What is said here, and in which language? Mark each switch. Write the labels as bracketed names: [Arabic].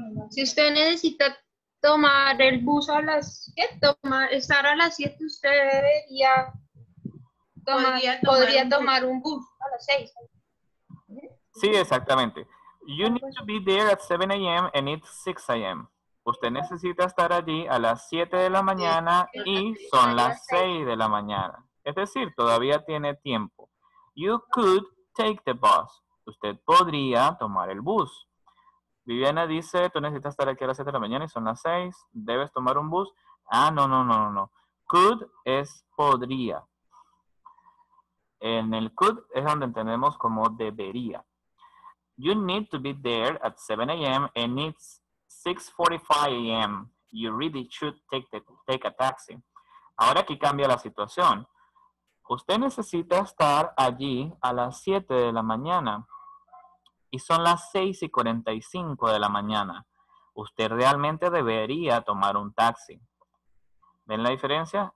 [Spanish] Si usted necesita tomar el bus a las 7, estar a las 7, usted debería podría tomar un bus a las 6. Sí, exactamente. [English] You need to be there at 7 a.m. and it's 6 a.m. [Spanish] Usted necesita estar allí a las 7 de la mañana y son las 6 de la mañana. Es decir, todavía tiene tiempo. [English] You could take the bus. [Spanish] Usted podría tomar el bus. Viviana dice, tú necesitas estar aquí a las 7 de la mañana y son las 6. ¿Debes tomar un bus? Ah, no, no, no, no, no. Could es podría. En el could es donde entendemos como debería. [English] You need to be there at 7 a.m. and it's 6:45 a.m. You really should take a taxi. [Spanish] Ahora aquí cambia la situación. Usted necesita estar allí a las 7 de la mañana. Y son las 6:45 de la mañana. Usted realmente debería tomar un taxi. ¿Ven la diferencia?